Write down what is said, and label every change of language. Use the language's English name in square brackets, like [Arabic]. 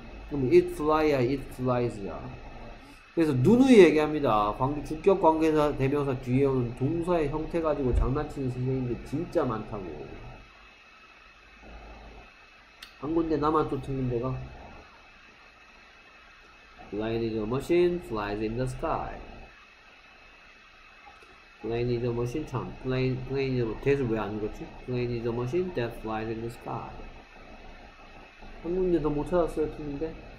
[Korean] 그럼 [English] it fly [Korean] 야, [English] it flies [Korean] 야. 그래서 누누이 얘기합니다. 주격 관계사 대명사 뒤에 오는 동사의 형태 가지고 장난치는 선생님들 진짜 많다고. 한 군데 나만 또 틀린 데가? [English] Plane is a machine, flies in the sky. Plane is a machine, 참, plane is a, that [Korean] 왜안 읽었지? [English] Plane is a machine that flies in the sky. [Korean] 한 군데 더못 찾았어요, 틀린데?